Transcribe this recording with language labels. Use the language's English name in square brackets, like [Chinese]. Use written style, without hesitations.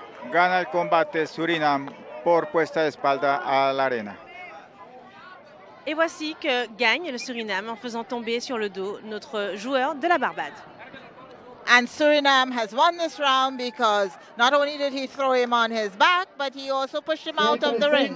[Spanish] Gana el combate Surinam por puesta de espalda a la arena. [French] Et voici que gagne le Suriname en faisant tomber sur le dos notre joueur de la Barbade. [English] And Suriname has won this round because not only did he throw him on his back, but he also pushed him out of the ring.